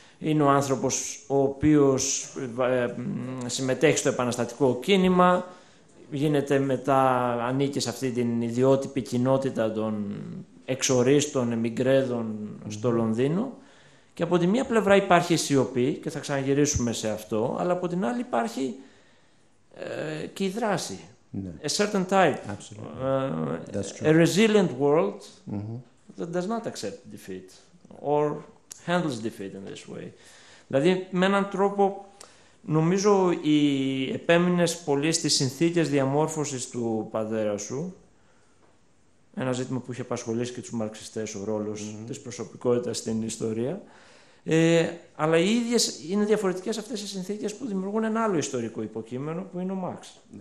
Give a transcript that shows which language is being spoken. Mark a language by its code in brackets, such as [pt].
[el] Είναι ο άνθρωπος ο οποίος συμμετέχει στο επαναστατικό κίνημα, γίνεται μετά, ανήκει σε αυτή την ιδιότυπη κοινότητα των εξορίστων, εμιγκρέδων στο Λονδίνο. Και από τη μία πλευρά υπάρχει σιωπή και θα ξαναγυρίσουμε σε αυτό, αλλά από την άλλη υπάρχει και η δράση. Ναι. [en] A certain type. Absolutely. That's true. A resilient world that does not accept defeat or handles defeat in this way. [el] Δηλαδή, με έναν τρόπο, νομίζω οι επέμεινες πολύ στις συνθήκες διαμόρφωσης του πατέρα σου, ένα ζήτημα που είχε απασχολήσει και τους μαρξιστές, ο ρόλος της προσωπικότητας στην ιστορία, αλλά οι ίδιες είναι διαφορετικές αυτές οι συνθήκες που δημιουργούν ένα άλλο ιστορικό υποκείμενο, που είναι ο Μαξ.